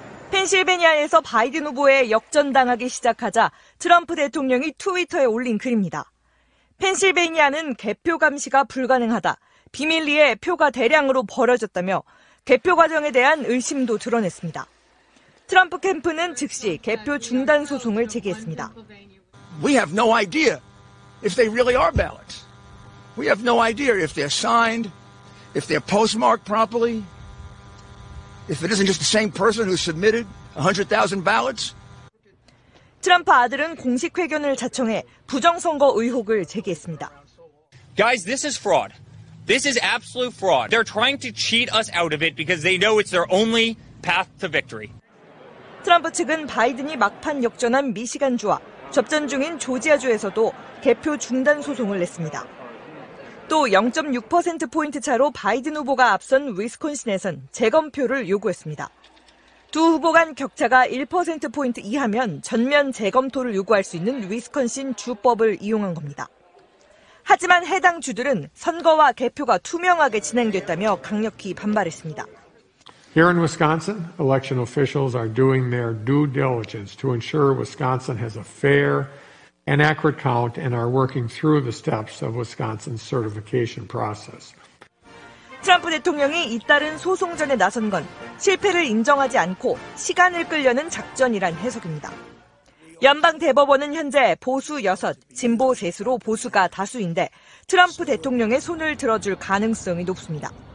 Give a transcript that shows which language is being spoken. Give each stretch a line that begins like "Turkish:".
Korean: 펜실베니아에서 바이든 후보에 역전당하기 시작하자 트럼프 대통령이 트위터에 올린 글입니다. 펜실베니아는 개표 감시가 불가능하다. 비밀리에 표가 대량으로 버려졌다며 개표 과정에 대한 의심도 드러냈습니다. 트럼프 캠프는 즉시 개표 중단 소송을 제기했습니다.
English: We have no idea if they really are ballots. We have no idea if they're signed, if they're postmarked properly. If it isn't just the same person who submitted 100,000 ballots.
Korean: 트럼프 아들은 공식 회견을 자청해 부정선거 의혹을 제기했습니다.
English: Guys, this is fraud. This is absolute fraud. They're trying to cheat us out of it because they know it's their only path to victory.
Korean: 트럼프 측은 바이든이 막판 역전한 미시간주와 접전 중인 조지아주에서도 개표 중단 소송을 냈습니다. 또 0.6%포인트 차로 바이든 후보가 앞선 위스콘신에선 재검표를 요구했습니다. 두 후보 간 격차가 1%포인트 이하면 전면 재검토를 요구할 수 있는 위스콘신 주법을 이용한 겁니다. 하지만 해당 주들은 선거와 개표가 투명하게 진행됐다며 강력히 반발했습니다.
English: Here in Wisconsin, election officials are doing their due diligence to ensure Wisconsin has a fair and accurate count and are working through the steps of Wisconsin's certification process.
Korean: 트럼프 대통령이 잇따른 소송전에 나선 건 실패를 인정하지 않고 시간을 끌려는 작전이란 해석입니다. 연방 대법원은 현재 보수 6, 진보 3으로 보수가 다수인데 트럼프 대통령의 손을 들어줄 가능성이 높습니다.